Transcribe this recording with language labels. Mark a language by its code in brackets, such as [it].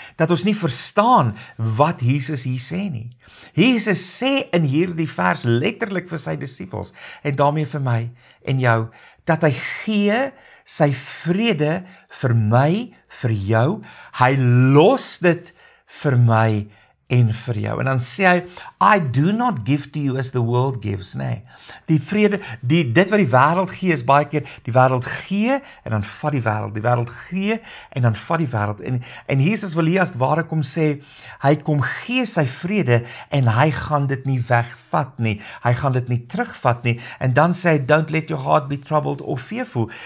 [af] Dat ons nie verstaan wat Jesus hier sê nie. Jesus sê in hierdie vers letterlik vir sy disippels en daarmee vir my en jou, dat hy gee sy vrede vir my, vir jou, hy los dit vir my en vir jou. [en] En dan sê hy, I do not give to you as the world gives, nee. [af] Die vrede, dit wat die wêreld gee, is baie keer, die wêreld gee, en dan vat die wêreld, die wêreld gee, en dan vat die wêreld. En Jesus wil hier as ware kom sê, hy kom gee sy vrede, en hy gaan dit nie wegvat nie, hy gaan dit nie terugvat nie, en dan sê hy, [en] don't let your heart be troubled or fearful.